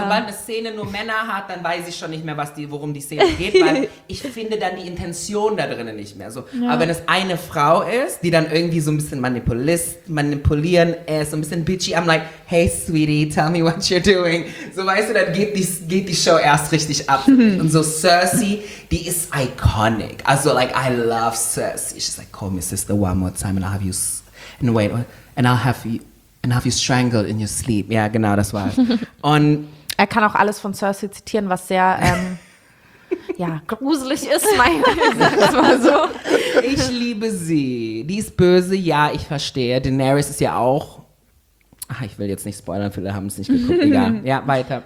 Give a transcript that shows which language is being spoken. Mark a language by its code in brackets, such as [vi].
[de] Sobald eine Szene nur Männer hat, dann weiß ich schon nicht mehr, worum die Szene geht, weil ich finde dann die Intention da drinnen nicht mehr. Aber wenn es eine Frau ist, die dann irgendwie so ein bisschen manipulieren, so ein bisschen bitchy, [en] I'm like, hey sweetie, tell me what you're doing. [de] So weißt du, dann geht die Show erst richtig ab. Und so Cersei, die ist iconic. Also [en] like, I love Cersei. She's like, call me sister one more time and I'll have you, and I'll have you strangled in your sleep. [de] Ja, yeah, genau, das war. Und er kann auch alles von Cersei zitieren, was sehr gruselig ist, Mike. Das war so. Ich liebe sie. Die ist böse, ja, ich verstehe. Daenerys ist ja auch. Ach, ich will jetzt nicht spoilern, viele haben es nicht geguckt. Egal. Ja, weiter.